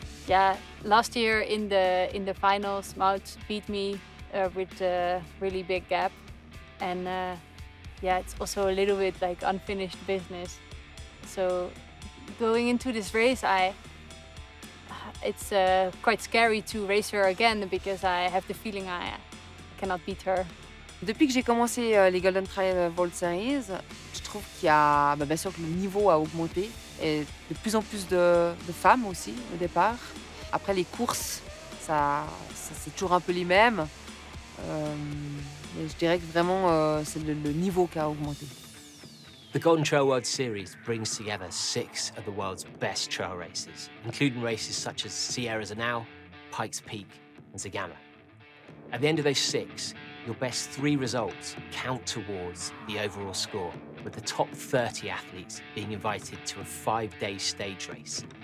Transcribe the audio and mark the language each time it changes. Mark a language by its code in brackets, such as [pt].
[en] Yeah, last year in the finals, Maud beat me with a really big gap. And yeah, it's also a little bit like unfinished business. So going into this race, it's quite scary to race her again because I have the feeling I cannot beat her. [fr] Depuis que j'ai commencé les Golden Trail World Series, je trouve qu'il y a bien sûr que le niveau a augmenté et de plus en plus de femmes aussi au départ. Après les courses, ça c'est toujours un peu les mêmes. Mais je dirais que vraiment c'est le niveau qui a augmenté. [en] The Golden Trail World Series brings together six of the world's best trail races, including races such as Sierras Anao, Pikes Peak, and Cegama. At the end of those six, your best three results count towards the overall score, with the top 30 athletes being invited to a five-day stage race.